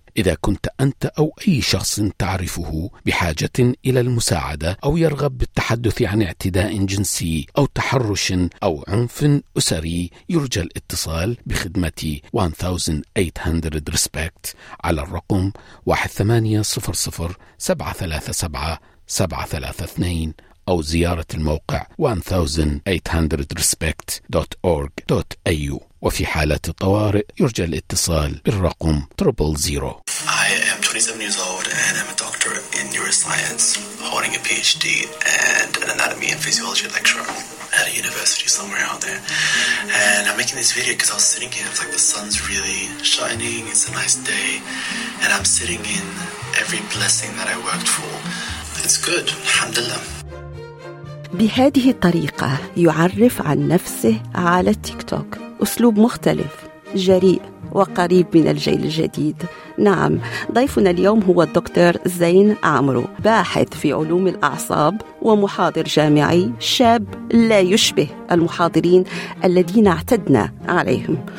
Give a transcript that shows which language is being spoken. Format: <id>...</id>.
<ar>إذا كنت أنت أو أي شخص تعرفه بحاجة إلى المساعدة أو يرغب بالتحدث عن اعتداء جنسي أو تحرش أو عنف أسري، يرجى الاتصال بخدمة 1800 Respect على الرقم 1-800-737-732 أو زيارة الموقع 1800respect.org.au. وفي حالة الطوارئ يرجى الاتصال بالرقم 000.</ar> <en>I am 27 years old and I'm a doctor in neuroscience, holding a PhD and an anatomy and physiology lecture at a university somewhere out there. And I'm making this video because I was sitting here, it's like the sun's really shining, it's a nice day, and I'm sitting in every blessing that I worked for. It's good, alhamdulillah.</en> <ar>بهذه الطريقة يعرف عن نفسه على التيك توك، أسلوب مختلف جريء وقريب من الجيل الجديد، نعم، ضيفنا اليوم هو الدكتور زين عمرو، باحث في علوم الأعصاب ومحاضر جامعي شاب لا يشبه المحاضرين الذين اعتدنا عليهم.</ar>